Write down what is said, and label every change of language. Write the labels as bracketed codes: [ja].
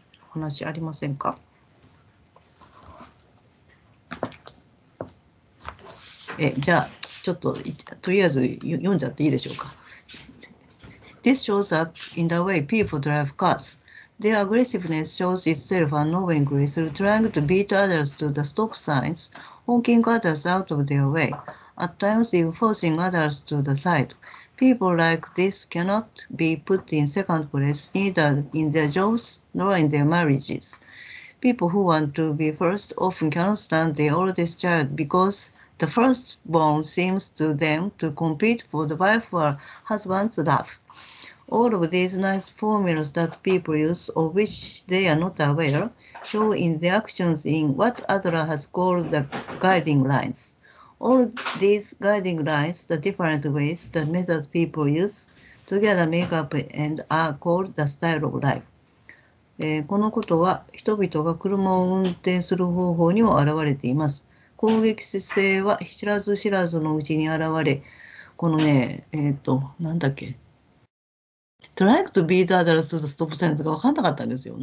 [ja] 話ありませんか。じゃあちょっととりあえず読んじゃっていいでしょうか。 [en] This shows up in the way people drive cars. Their aggressiveness shows itself unknowingly through trying to beat others to the stop signs, honking others out of their way, at times even forcing others to the side. People like this cannot be put in second place, neither in their jobs nor in their marriages. People who want to be first often cannot stand their oldest child because the firstborn seems to them to compete for the wife or husband's love. All of these nice formulas that people use, of which they are not aware, show in their actions in what Adler has called the guiding lines. All these guiding lines, the different ways that methods people use, together make up and are called the style of life. [ja] このことは人々が車を運転する方法にも現れています。攻撃性は知らず知らずのうちに現れ、このね、なんだっけ、 [en] Try to beat others to stop signs [ja] が分かんなかったんですよ。